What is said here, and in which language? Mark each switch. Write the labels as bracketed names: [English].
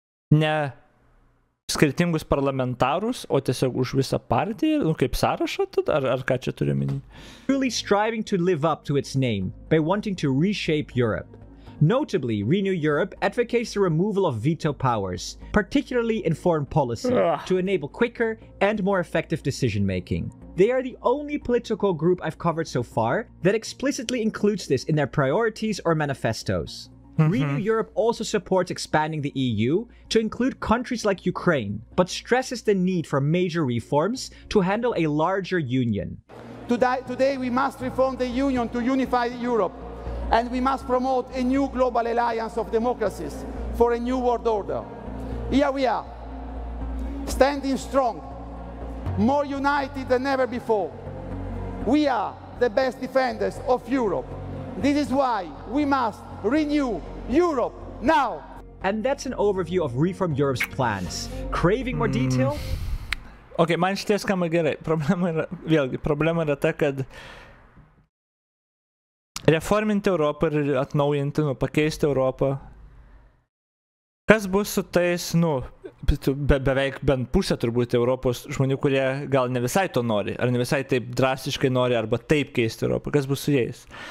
[Lithuanian] Ne skirtingus parlamentarus, o tiesiog už visą partiją, nu kaip sąrašą, ar ką čia turiu minį? [English] Truly striving to live up to its name by wanting to reshape Europe. Notably, Renew Europe advocates the removal of veto powers, particularly in foreign policy, to enable quicker and more effective decision making. They are the only political group I've covered so far that explicitly includes this in their priorities or manifestos. Renew Europe also supports expanding the EU to include countries like Ukraine, but stresses the need for major reforms to handle a larger union. Today we must reform the union to unify Europe, and we must promote a new global alliance of democracies for a new world order. Here we are, standing strong, more united than ever before. We are the best defenders of Europe. This is why we must renew Europe now. And that's an overview of Reform Europe's plans. Craving more detail? [Lithuanian] Okay, man šitie skamba gerai. Problema yra ta, kad reforminti Europą ir atnaujinti, nu, pakeisti Europą. Kas bus su tais, nu, beveik bent pusė turbūt Europos žmonių, kurie gal ne visai to nori, ar ne visai taip drastiškai nori, arba taip keisti Europą. Kas bus su jais?